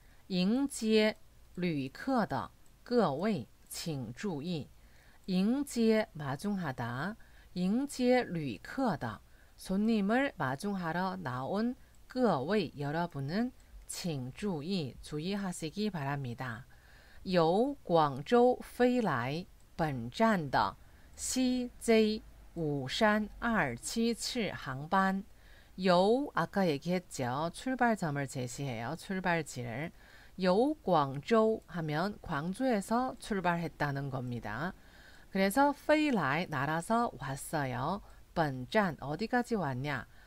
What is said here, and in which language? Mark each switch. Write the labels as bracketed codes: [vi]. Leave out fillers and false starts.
[zh] 迎接旅客的各位请注意. [ko] 迎接 마중하다. [zh] 迎接旅客的 [ko] 손님을 마중하러 나온 [zh] 各位 [ko] 여러분은 [zh] 请注意 [ko] 주의하시기 바랍니다. [zh] 由广州飞来本站的 CJ5327次航班 由 [ko] 아까 얘기했죠. 출발점을 제시해요. 출발지를 由 광州 하면 광주에서 출발했다는 겁니다. 그래서 [zh] 飞来 [ko] 날아서 왔어요. [zh] 本站 [ko] 어디까지 왔냐?